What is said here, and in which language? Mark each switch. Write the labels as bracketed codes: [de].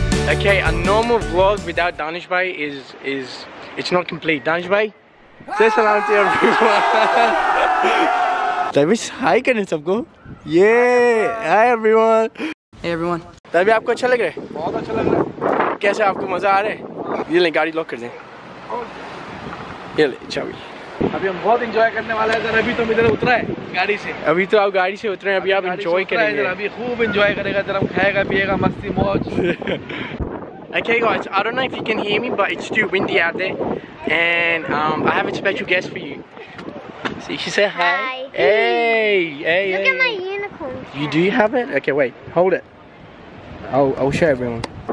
[en] Okay, a normal vlog without Danish Bhai is it's not complete. Danish Bhai, say salam to everyone. [hi] Davi, hi karne sabko. [en] Yeah, hi everyone. Hey everyone. [hi] Davy, आपको अच्छा लग रहा hai? Bahut acha lag raha hai. कैसे आपको मज़ा आ रहा है? ये ले गाड़ी लॉक कर दे. ये ले, चाबी. Abhi hum bahut enjoy karne wale hain sir. Abhi to idhar utra hai gaadi se. अभी तो आप गाड़ी से उतरे हैं. अभी आप एन्जॉय करेंगे. Abhi khoob enjoy karega sir. Hum khayega, piyega, masti, mauj. [en] Okay guys, I don't know if you can hear me, but it's too windy out there. And I have a special guest for you. So you should say hi. Hi. Hey, hey. Look hey. At my unicorn cat. You do have it? Okay, wait. Hold it. I'll show everyone.